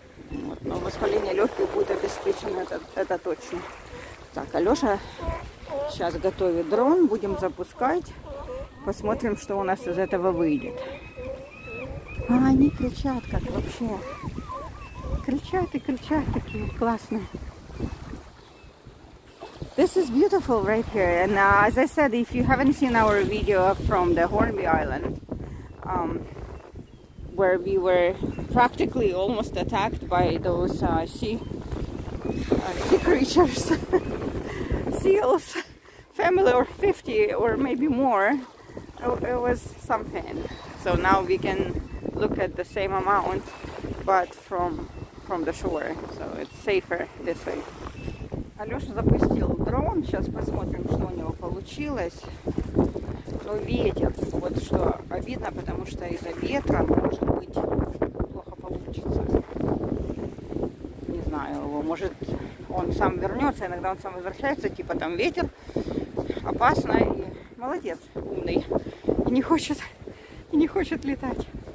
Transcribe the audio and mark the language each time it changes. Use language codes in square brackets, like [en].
[ru] Вот, но воспаление легких будет обеспечено, это точно. Так, Алёша сейчас готовит дрон, будем запускать. Посмотрим, что у нас из этого выйдет. А, они кричат, как вообще. Кричат и кричат, такие классные. [en] This is beautiful right here, and as I said, if you haven't seen our video from the Hornby Island, where we were practically almost attacked by those sea creatures, seals, family or 50 or maybe more, it was something. So now we can look at the same amount, but from the shore, so it's safer this way. [ru] Алёша запустил дрон, сейчас посмотрим, что у него получилось. Но ветер, вот что обидно, потому что из-за ветра может быть плохо получится. Не знаю, может он сам вернется, иногда он сам возвращается, типа там ветер, опасно, и молодец, умный, и не хочет летать.